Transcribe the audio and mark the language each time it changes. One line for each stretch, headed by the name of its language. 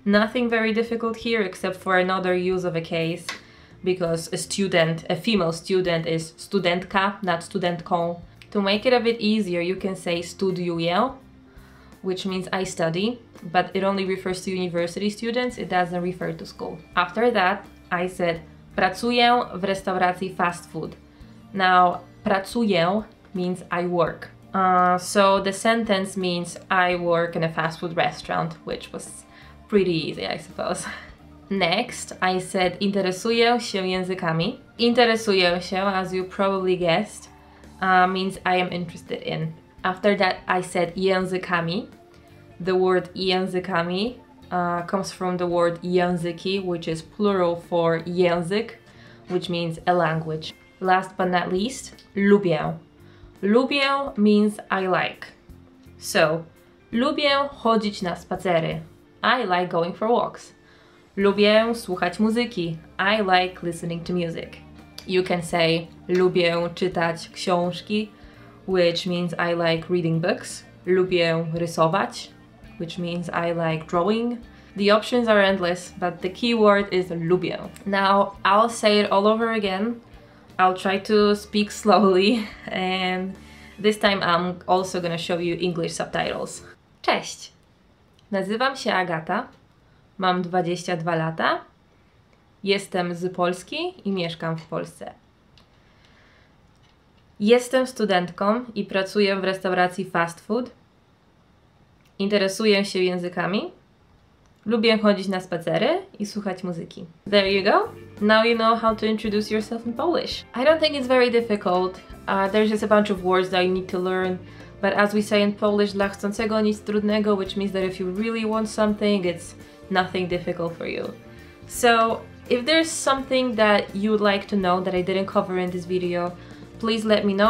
English: Nothing very difficult here except for another use of a case, because a student, a female student, is
Polish: studentka,
English: not
Polish: studentką.
English: To make it a bit easier, you can say
Polish: studiuję,
English: which means I study, but it only refers to university students, it doesn't refer to school. After that, I said
Polish: pracuję w restauracji fast food.
English: Now,
Polish: pracuję
English: means I work. So the sentence means I work in a fast food restaurant, which was pretty easy, I suppose. Next, I said
Polish: interesuję się językami. Interesuję się,
English: as you probably guessed, means I am interested in. After that, I said
Polish: językami.
English: The word językami comes from the word
Polish: języki,
English: which is plural for
Polish: język,
English: which means a language. Last but not least,
Polish: lubię. Lubię
English: means I like. So,
Polish: lubię chodzić na spacery.
English: I like going for walks.
Polish: Lubię słuchać muzyki.
English: I like listening to music. You can say
Polish: lubię czytać książki,
English: which means I like reading books.
Polish: Lubię rysować,
English: which means I like drawing. The options are endless, but the key word is
Polish: lubię.
English: Now, I'll say it all over again. I'll try to speak slowly, and this time I'm also gonna show you English subtitles.
Polish: Cześć! Nazywam się Agata, mam 22 lata, jestem z Polski i mieszkam w Polsce. Jestem studentką i pracuję w restauracji fast food. Interesuję się językami. Lubię chodzić na spacery i słuchać muzyki.
English: There you go. Now you know how to introduce yourself in Polish. I don't think it's very difficult. There's just a bunch of words that you need to learn. But as we say in Polish,
Polish: dla chcącego nic trudnego,
English: which means that if you really want something, it's nothing difficult for you. So if there's something that you'd like to know that I didn't cover in this video, please let me know.